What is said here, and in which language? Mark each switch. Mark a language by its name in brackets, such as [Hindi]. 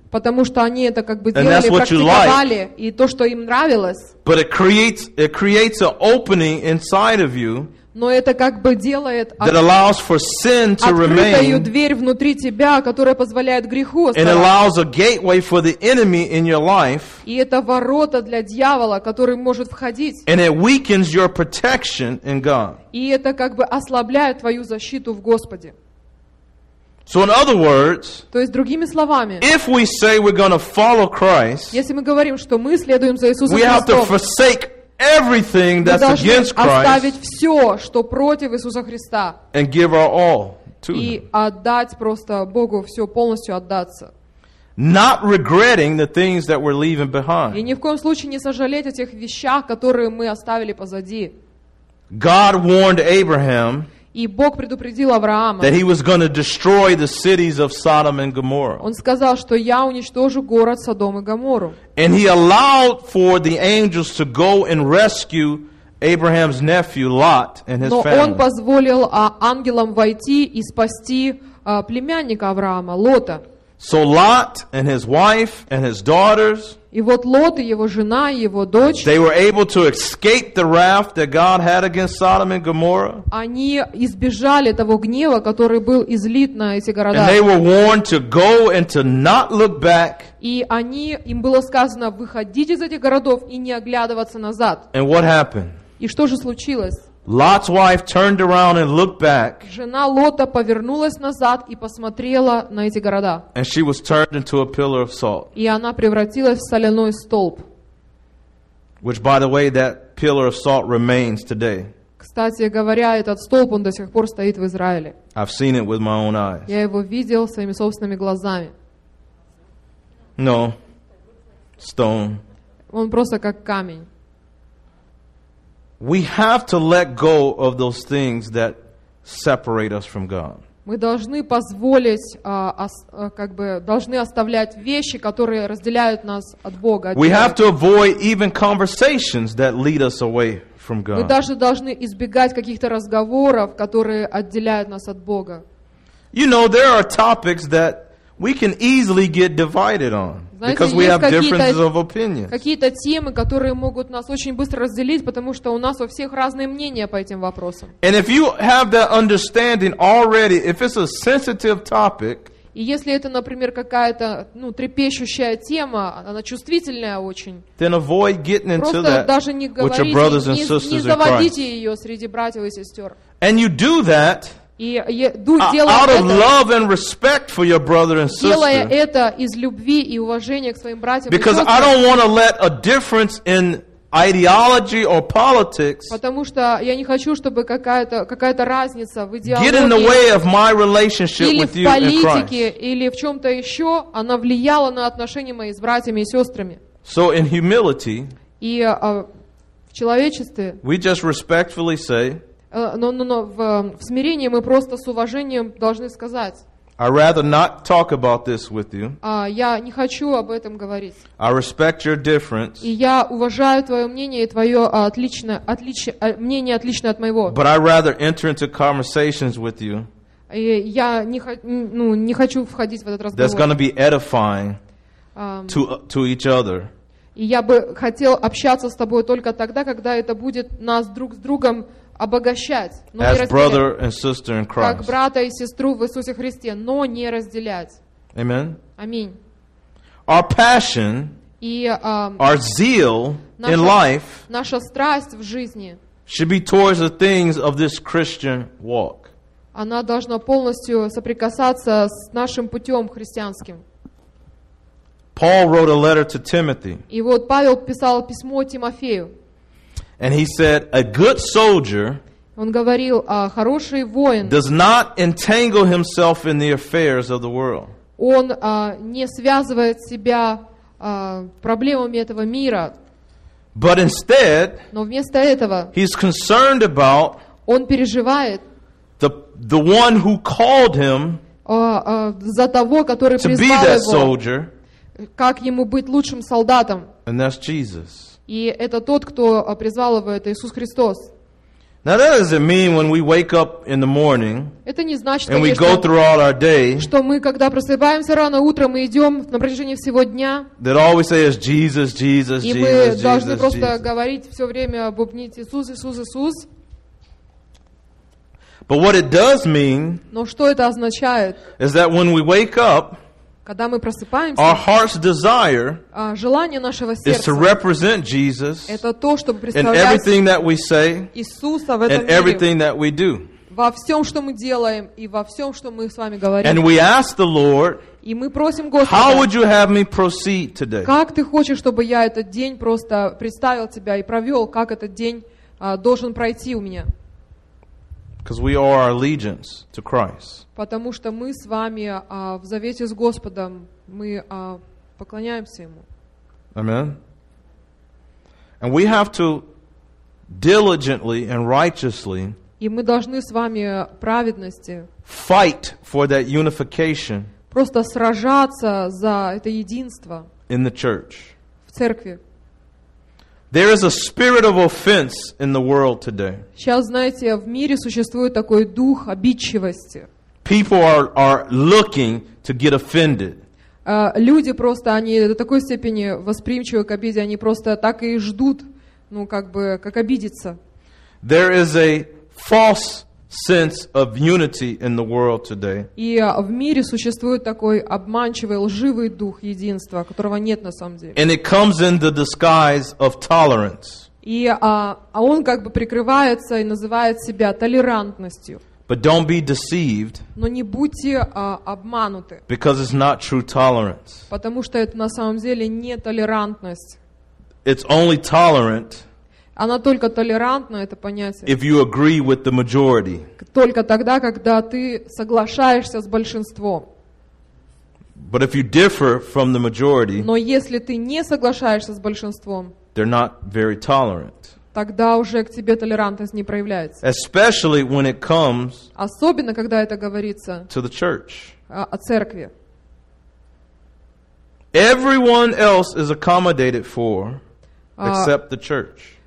[Russian] Потому что они это как бы делали, практиковали, и то, что им нравилось. [English] But it creates an opening inside of you. [Russian] Но это как бы делает открытую дверь внутри тебя, которая позволяет греху оставаться. И это ворота для дьявола, который может входить. И это как бы ослабляет твою защиту в Господе. [English] So in other words, [Russian] то есть другими словами, [English] if we say we're going to follow Christ, [Russian] если мы говорим, что мы следуем за Иисусом [English] Христом, we have to forsake everything that's against Christ. [Russian] Мы должны оставить все, что против Иисуса Христа. [English] And give our all to him. [Russian] И отдать просто Богу все, полностью отдаться. [English] Not regretting the things that we're leaving behind. [Russian] И ни в коем случае не сожалеть о тех вещах, которые мы оставили позади. [English] God warned Abraham. [Russian] И Бог предупредил Авраама. [English] That he was going to destroy the cities of Sodom and Gomorrah. [Russian] Он сказал, что я уничтожу город Содом и Гоморру. [English] And he allowed for the angels to go and rescue Abraham's nephew Lot and his family. [Russian] Но он позволил ангелам войти и спасти племянника Авраама Лота. [English] So Lot and his wife and his daughters. [Russian] И вот Лот и его жена и его дочь. [English] They were able to escape the wrath that God had against Sodom and Gomorrah. [Russian] Они избежали того гнева, который был излит на эти города. [English] And they were warned to go and to not look back. [Russian] И они им было сказано выходить из этих городов и не оглядываться назад. [English] And what happened? [Russian] И что же случилось? [English] Lot's wife turned around and looked back. [Russian] Жена Лота повернулась назад и посмотрела на эти города. [English] And she was turned into a pillar of salt. [Russian] И она превратилась в соляной столб. [English] Which, by the way, that pillar of salt remains today. [Russian] Кстати говоря, этот столб он до сих пор стоит в Израиле. [English] I've seen it with my own eyes. [Russian] Я его видел своими собственными глазами. [English] No. Stone. [Russian] Он просто как камень. [English] We have to let go of those things that separate us from God. [Russian] Мы должны позволить, как бы должны оставлять вещи, которые разделяют нас от Бога. [English] We have to avoid even conversations that lead us away from God. [Russian] Мы даже должны избегать каких-то разговоров, которые отделяют нас от Бога. [English] You know, there are topics that we can easily get divided on. Because we have differences of opinions. [Russian] Какие-то темы, которые могут нас очень быстро разделить, потому что у нас у всех разные мнения по этим вопросам. [English] And if you have that understanding already, if it's a sensitive topic, [Russian] и если это, например, какая-то трепещущая тема, она чувствительная очень, [English] then avoid getting into that with your brothers and sisters in Christ. [Russian] Просто даже не заводите ее среди братьев и сестер. [English] And you do that. [Russian] И делая [English] out of love and respect for your brother and sister, [Russian] делая это из любви и уважения к своим братьям, [English] because I don't want to let a difference in ideology or politics, [Russian] потому что я не хочу, чтобы какая-то разница в идеологии, [English] get in the way of my relationship with you in Christ, [Russian] или в политике, или в чем-то еще, она влияла на отношения мои с братьями и сестрами. [English] So in humility, [Russian] и в человечестве, [English] we just respectfully say. [Russian] В смирении мы просто с уважением должны сказать. [English] I'd rather not talk about this with you. [Russian] Я не хочу об этом говорить. [English] I respect your difference. [Russian] И я уважаю твое мнение и твое мнение отличное от моего. [English] But I'd rather enter into conversations with you. [Russian] И я не хочу входить в этот разговор. [English] That's going to be edifying to each other. [Russian] И я бы хотел общаться с тобой только тогда, когда это будет нас друг с другом обогащать, но [English] as [Russian] не [English] brother and sister in Christ. [Russian] Как брата и сестру в Иисусе Христе, но не разделять. [English] Amen. [Russian] Аминь. [English] Our passion [Russian] и [English] our zeal in life [Russian] наша страсть в жизни [English] should be towards the things of this Christian walk. [Russian] Она должна полностью соприкасаться с нашим путем христианским. [English] Paul wrote a letter to Timothy. [Russian] И вот Павел писал письмо Тимофею. [English] And he said, a good soldier [Russian] он говорил, хороший воин [English] does not entangle himself in the affairs of the world. [Russian] Он не связывает себя проблемами этого мира. [English] But instead, [Russian] но вместо этого, [English] he's concerned about [Russian] он переживает [English] the one who called him [Russian] за того, который [English] to be that soldier [Russian] как ему быть лучшим солдатом. [English] And that's Jesus. [Russian] И это тот, кто призвал его, это Иисус Христос. [English] Now that doesn't mean when we wake up in the morning [Russian] значит, [English] and we go throughout our day, [Russian] что мы, когда просыпаемся рано утром и идем на протяжении всего дня, [English] that all we say is Jesus, Jesus, Jesus, Jesus, Jesus. [Russian] И мы должны просто говорить все время, бубнить Иисус, Иисус, Иисус. [English] But what it does mean, [Russian] но что это означает, [English] is that when we wake up, [Russian] когда мы просыпаемся, [English] our heart's desire, [Russian] желание нашего сердца, [English] is to represent Jesus, [Russian] это то, чтобы представлять [English] in everything that we say, [Russian] Иисуса в этом [English] and [Russian] мире, [English] everything that we do. [Russian] Во всем, что мы делаем, и во всем, что мы с вами говорим. [English] And we ask the Lord, [Russian] и мы просим Господа, [English] how would you have me proceed today? [Russian] Как ты хочешь, чтобы я этот день просто представил тебя и провел, как этот день должен пройти у меня? [English] Because we owe our allegiance to Christ. [Russian] Потому что мы с вами в завете с Господом, мы поклоняемся Ему. [English] Amen. And we have to diligently and righteously [Russian] и мы должны с вами праведности [English] fight for that unification [Russian] просто сражаться за это единство [English] in the church. [Russian] В церкви. [English] There is a spirit of offense in the world today. [Russian] Сейчас, знаете, в мире существует такой дух обидчивости. [English] People are looking to get offended. [Russian] Люди просто, они до такой степени восприимчивы к обиде, они просто так и ждут, ну, как бы, как обидеться. [English] There is a false sense of unity in the world today. [Russian] И в мире существует такой обманчивый, лживый дух единства, которого нет на самом деле. [English] And it comes in the disguise of tolerance. [Russian] И он как бы прикрывается и называет себя толерантностью. [English] But don't be deceived. [Russian] Но не будьте обмануты. [English] Because it's not true tolerance. [Russian] Потому что это на самом деле не толерантность. [English] It's only tolerant. [Russian] Она только толерантна, это понятие. [English] If you agree with the majority. [Russian] Только тогда, когда ты соглашаешься с большинством. [English] But if you differ from the majority. [Russian] Но если ты не соглашаешься с большинством. [English] They're not very tolerant. [Russian] Тогда уже к тебе толерантность не проявляется. [English] Especially when it comes. [Russian] Особенно когда это говорится. [English] To the church. [Russian] О церкви. [English] Everyone else is accommodated for, except the church.